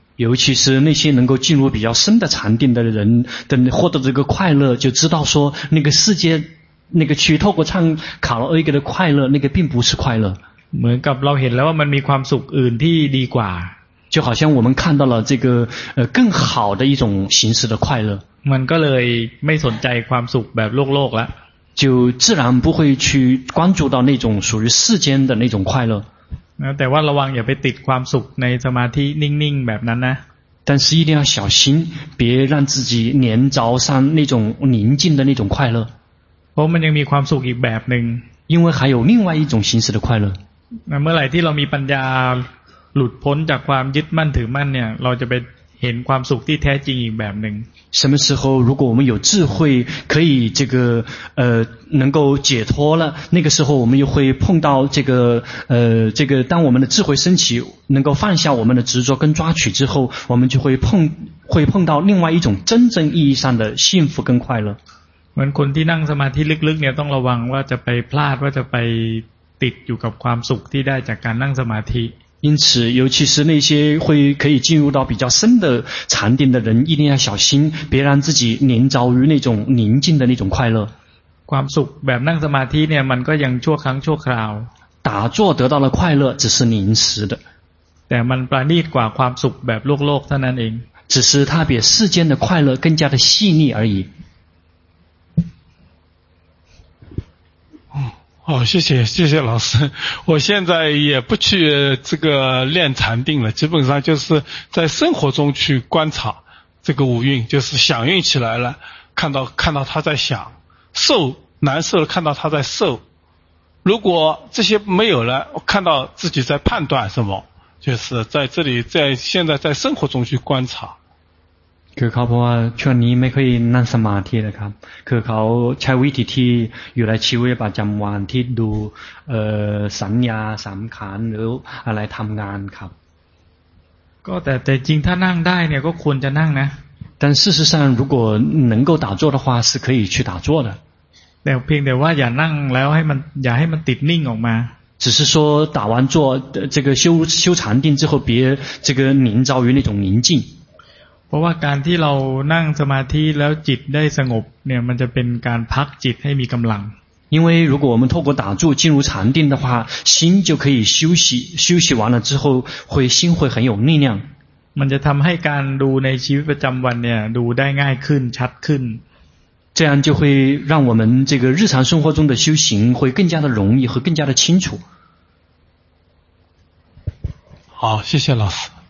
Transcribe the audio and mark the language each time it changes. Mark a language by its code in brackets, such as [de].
[zh] 尤其是那些能够进入比较深的禅定的人，等获得这个快乐，就知道说那个世界，那个去透过唱卡拉 OK 的快乐，那个并不是快乐。 [th] เหมือนกับเราเห็นแล้วว่ามันมีความสุขอื่นที่ดีกว่า。 [zh] 就好像我们看到了这个更好的一种形式的快乐。 [th] มันก็เลยไม่สนใจความสุขแบบโลกละ [zh] 就自然不会去关注到那种属于世间的那种快乐 [th] แต่ว่าระวังอย่าไปติดความสุขในสมาธินิ่งๆแบบนั้นนะ [zh] 但是一定要小心，别让自己连着上那种宁静的那种快乐。我们仍有 [th] ความสุขอีกแบบหนึ่ง， [zh] 因为还有另外一种形式的快乐。 [th] 那เมื่อไหร่ที่เรามีปัญญาหลุดพ้นจากความยึดมั่นถือมั่นเนี่ยเราจะไปเห็นความสุขที่แท้จริงอีกแบบหนึ่ง。 [zh] 什么时候如果我们有智慧，可以这个能够解脱了，那个时候我们又会碰到这个这个，当我们的智慧升起，能够放下我们的执着跟抓取之后，我们就会碰到另外一种真正意义上的幸福跟快乐。 [th] เหมือนคนที่นั่งสมาธิลึกๆเนี่ยต้องระวังว่าจะไปพลาดว่าจะไปติดอยู่กับความสุขที่ได้จากการนั่งสมาธิ [zh] 因此尤其是那些会可以进入到比较深的禅定的人一定要小心别让自己黏着于那种宁静的那种快乐 [th] ความสุขแบบนั่งสมาธิเนี่ยมันก็ยังชั่วครั้งชั่วคราว [zh] 打坐得到了快乐只是临时的 [th] แต่มันประณีตกว่าความสุขแบบโลกเท่านั้นเอง [zh] 只是它比世间的快乐更加的细腻而已哦，谢谢老师。我现在也不去这个练禅定了，基本上就是在生活中去观察这个五蕴，就是想运起来了，看到他在想，受难受了，看到他在受。如果这些没有了，我看到自己在判断什么，就是在这里在现在在生活中去观察。 [th] คือเขาบอกว่าช่วงนี้ไม่เคยนั่งสมาธินะครับคือเขาใช้วิธีที่อยู่ในชีวิตประจำวันที่ดูสัญญาสามขันธ์หรืออะไรทำงานครับ ก็แต่จริงถ้านั่งได้เนี่ยก็ควรจะนั่งนะ [zh] 但事实上如果能够打坐的话是可以去打坐的 [th] แต่เพียงแต่ว่าอย่านั่งแล้วอย่าให้มันติดนิ่งออกมา [zh] 只是说打完坐这个修禅定之后别这个临着于那种宁静 [th] เพราะว่าการที่เรานั่งสมาธิแล้วจิตได้สงบเนี่ยมันจะเป็นการพักจิตให้มีกำลัง [zh] 因为如果我们透过打坐进入禅定的话心就可以休息完了之后心会很有力量 [th] มันจะทำให้การดูในชีวิตประจำวันเนี่ยดูได้ง่ายขึ้นชัดขึ้น [zh] 这样就会让我们这个日常生活中的修行会更加的容易和更加的清楚好谢谢老师